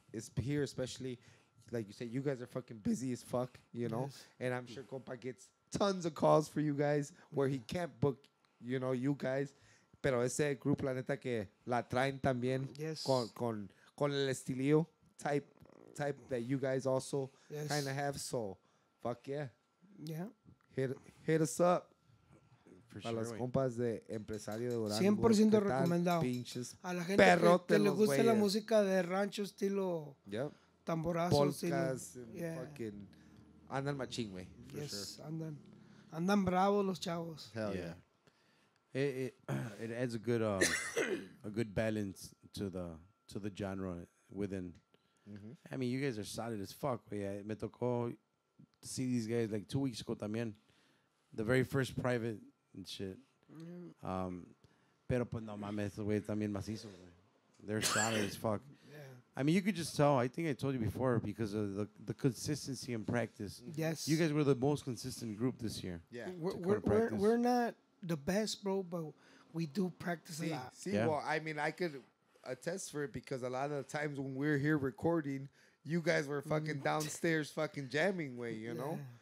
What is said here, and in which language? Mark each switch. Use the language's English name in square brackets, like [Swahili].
[English] It's here, especially, like you said, you guys are fucking busy as fuck, you know? Yes. And I'm sure compa gets tons of calls for you guys where he can't book, you know, you guys. [Spanish] Pero ese grupo, la neta, que la traen también. [English] Yes. [Spanish] Con el estilillo [English] type that you guys also kind of have. So, fuck yeah. Yeah. Hit us up. [Spanish] Para [English] sure, [Spanish] las wey. Compas de Empresario de Durango. 100% recomendado. Pinches a la gente que le gusta la música de rancho estilo tamborazo. Polkas. Estilo, fucking andan machín, güey. [English] Yes, sure. [Spanish] Andan bravos los chavos. [English] Hell yeah. It adds a good a good balance to the genre within. Mm-hmm. I mean, you guys are solid as fuck. Yeah, [Spanish] me tocó [English] see these guys like 2 weeks ago [Spanish] también. [English] The very first private... and shit. Yeah. [Spanish] Pero pues no mames, güey, también macizo, güey. [English] They're solid as fuck. Yeah. I mean, you could just tell. I think I told you before, because of the consistency in practice. Yes. You guys were the most consistent group this year. Yeah. We're not the best, bro, but we do practice a lot. See, yeah. Well, I mean, I could attest for it, because a lot of the times when we're here recording, you guys were fucking downstairs fucking jamming, way, you know?